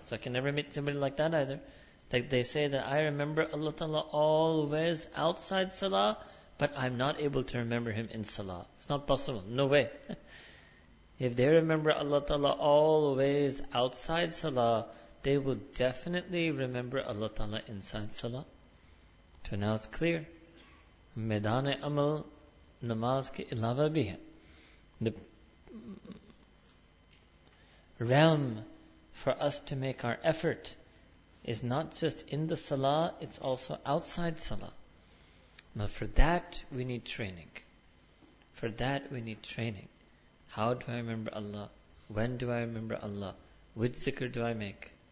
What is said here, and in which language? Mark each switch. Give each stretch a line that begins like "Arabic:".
English: So I can never meet somebody like that either. They say that I remember Allah Ta'ala always outside salah, but I'm not able to remember Him in salah. It's not possible. No way. If they remember Allah Ta'ala always outside salah, they will definitely remember Allah Ta'ala inside salah. So now it's clear.
Urdu: میدانِ عمل نماز کے علاوہ بھی ہے۔
English: The realm for us to make our effort is not just in the salah, it's also outside salah. Now for that we need training. How do I remember Allah? When do I remember Allah? Which zikr do I make?